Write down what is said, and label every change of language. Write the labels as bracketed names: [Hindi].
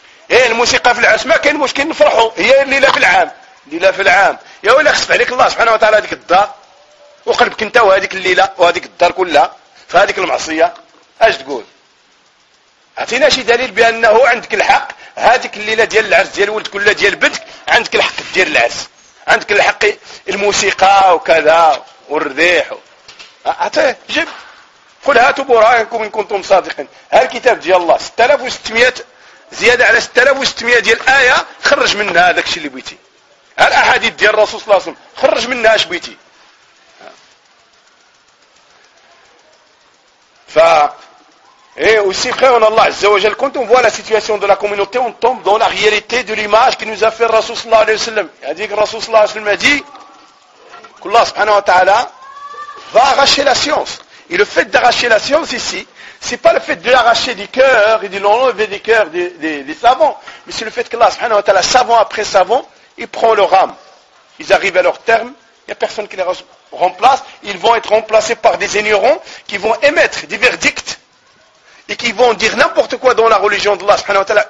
[Arabic] ايه الموسيقى في العرس ما كاين مشكل نفرحوا، هي الليله في العام، الليله في العام يا ولا خصف عليك الله سبحانه وتعالى هذيك الدار وقلبك انت وهذيك الليله وهذيك الدار كلها في هذيك المعصيه، اش تقول؟ اعطينا شي دليل بانه عندك الحق هذيك الليله ديال العرس ديال ولدك ولا ديال بنتك، عندك الحق دير العرس، عندك الحق الموسيقى وكذا والرديح اعطيه جيب، قل هاتوا براهنكم ان كنتم صادقين. هذا الكتاب ديال الله 6600 زياده على 6600 ديال الايه، خرج منها هذاك الشيء اللي بغيتي. الاحاديث ديال الرسول صلى الله عليه وسلم خرج منها اش بغيتي. [French] ف ايه aussi frère en Allah عز وجل كنت on voit la situation de la communauté on tombe dans la réalité de l'image que nous a fait الرسول صلى الله عليه وسلم. [Arabic] هذيك الرسول صلى الله عليه وسلم دي كل الله سبحانه وتعالى [French] va arracher la science. Et le fait d'arracher la science ici, c'est pas le fait de l'arracher du cœur et de l'enlever du cœur des savants, mais c'est le fait que Allah subhanahu wa ta'ala, savant après savant, ils prennent leur âme. Ils arrivent à leur terme, il n'y a personne qui les remplace, ils vont être remplacés par des ignorants qui vont émettre des verdicts et qui vont dire n'importe quoi dans la religion d'Allah subhanahu wa ta'ala.